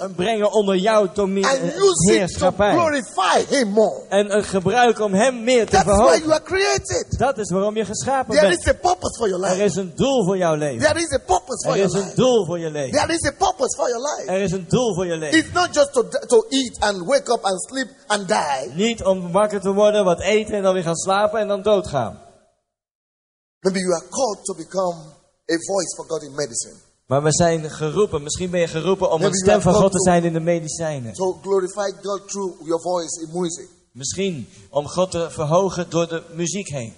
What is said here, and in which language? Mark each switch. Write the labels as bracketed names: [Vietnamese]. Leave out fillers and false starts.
[Dutch] En brengen onder jouw dominion. Heerschappij. [English] Glorify him more. [Dutch] En een gebruik om hem meer te [English] That's [Dutch] verhogen. [English] Why you are created. [Dutch] Dat is waarom je geschapen [English] There [Dutch] bent. [English] Is a purpose for your life. [Dutch] Er is een doel voor jouw leven. [English] There is a purpose for [Dutch] er is een doel voor je leven. [English] There is a purpose for your life. [Dutch] Er is een doel voor je leven. [English] It's not just to eat and wake up and sleep and die. [Dutch] Niet om wakker te worden, wat eten en dan weer gaan slapen en dan doodgaan. [English] Maybe you are called to become a voice for God in medicine. [Dutch] Maar we zijn geroepen, misschien ben je geroepen om een stem van God te zijn in de medicijnen. [English] So glorify God through your voice in music. [Dutch] Misschien om God te verhogen door de muziek heen.